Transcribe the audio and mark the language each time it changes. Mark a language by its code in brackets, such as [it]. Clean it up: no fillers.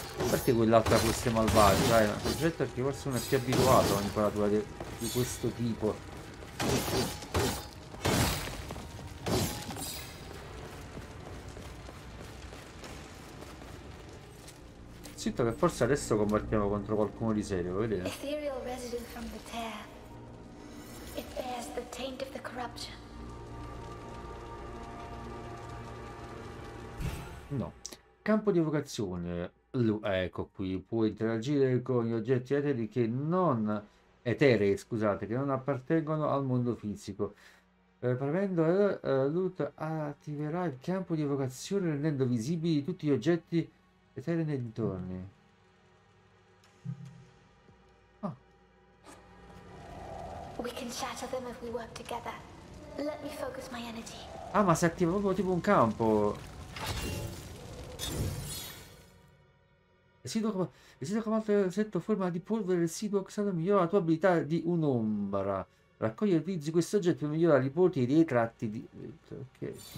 [it] Perché quell'altra fosse malvagia? Il progetto è che forse uno è più abituato a un'inquadratura di questo tipo. Sento che forse adesso combattiamo contro qualcuno di serio, vedete? [en] Ethereal residue from the tear. It bears the taint of the corruption. [it] No. Campo di evocazione. Ecco qui. Può interagire con gli oggetti eteri che non eterei, scusate, che non appartengono al mondo fisico. Premendo loot attiverà il campo di evocazione rendendo visibili tutti gli oggetti eterei nei dintorni. [en] We can shatter them if we work together. Let me focus my energy. [it] Ah, ma si attiva proprio tipo un campo. Residuo come altro insetto, forma di polvere residuo oxidato, migliora la tua abilità di un'ombra. Raccogli e utilizzi questo oggetto per migliorare i poteri e i tratti di. Ok.